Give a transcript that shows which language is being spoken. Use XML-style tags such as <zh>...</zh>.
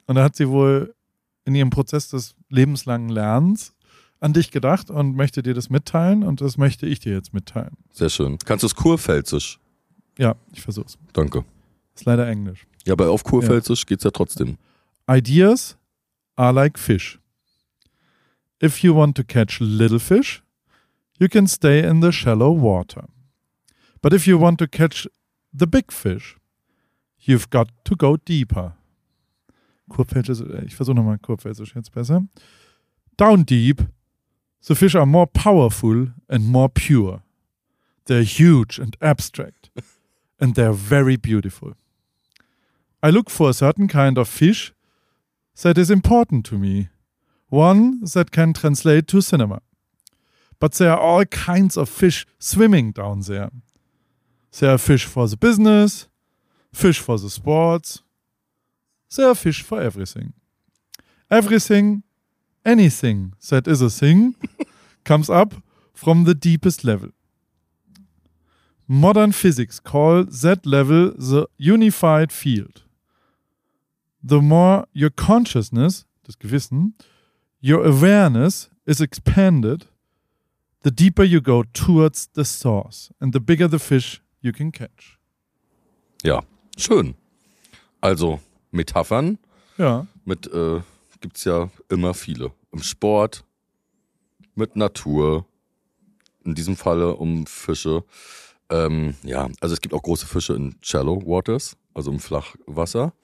<de>Und da hat sie wohl in ihrem Prozess des lebenslangen Lernens an dich gedacht und möchte dir das mitteilen und das möchte ich dir jetzt mitteilen. Sehr schön. Kannst du es kurpfälzisch? Ja, ich versuch's. Danke. Ist leider Englisch. Ja, aber auf kurpfälzisch geht's ja trotzdem.</de> <en>Ideas are like fish. If you want to catch little fish, you can stay in the shallow water. But if you want to catch the big fish, you've got to go deeper.</en> <de>Kurpfälzisch, ich versuche nochmal kurpfälzisch jetzt besser.</de> <en>Down deep, the fish are more powerful and more pure. They're huge and abstract, and they're very beautiful. I look for a certain kind of fish that is important to me, one that can translate to cinema. But there are all kinds of fish swimming down there. There are fish for the business, fish for the sports. There are fish for everything. Everything. Anything that is a thing comes up from the deepest level. Modern physics call that level the unified field. The more your consciousness,</en> <de>das Gewissen,</de> <en>your awareness is expanded, the deeper you go towards the source and the bigger the fish you can catch.</en> <de>Ja, schön. Also Metaphern. Ja. Mit gibt's ja immer viele. Im Sport, mit Natur, in diesem Falle um Fische. Ja, also es gibt auch große Fische in Shallow Waters, also im Flachwasser.</de>